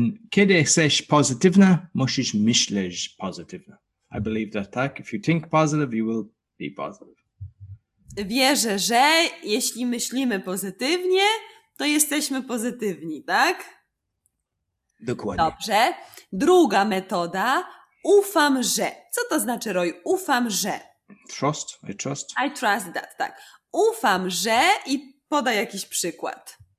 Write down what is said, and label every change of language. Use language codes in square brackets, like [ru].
[pl] Kiedy jesteś pozytywna, musisz myśleć pozytywnie. [en] I believe that, tak? If you think positive, you will be positive. [pl] Wierzę, że jeśli myślimy pozytywnie, to jesteśmy pozytywni, tak? Dokładnie. Dobrze. Druga metoda. Ufam, że. Co to znaczy, Roy? Ufam, że. [en] Trust. I trust. I trust that, [pl] tak. Ufam, że. I podaj jakiś przykład.